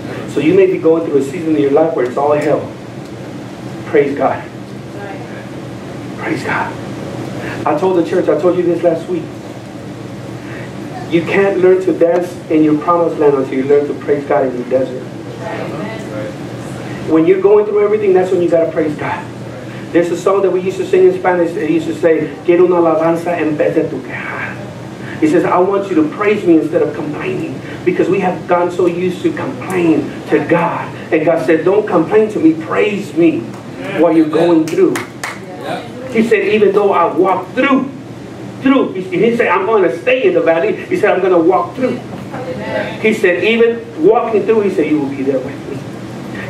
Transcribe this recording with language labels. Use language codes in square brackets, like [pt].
[en] So you may be going through a season in your life where it's all hell. Praise God. Praise God. I told the church, I told you this last week. You can't learn to dance in your promised land until you learn to praise God in the desert. When you're going through everything, that's when you got to praise God. There's a song that we used to sing in Spanish. It used to say, [es] quiero una alabanza en vez de tu queja. [en] He says, I want you to praise me instead of complaining. Because we have gone so used to complain to God. And God said, don't complain to me. Praise me while you're going through. He said, even though I walk through. He said, I'm going to stay in the valley. He said, I'm going to walk through. He said, even walking through, he said, you will be there with me.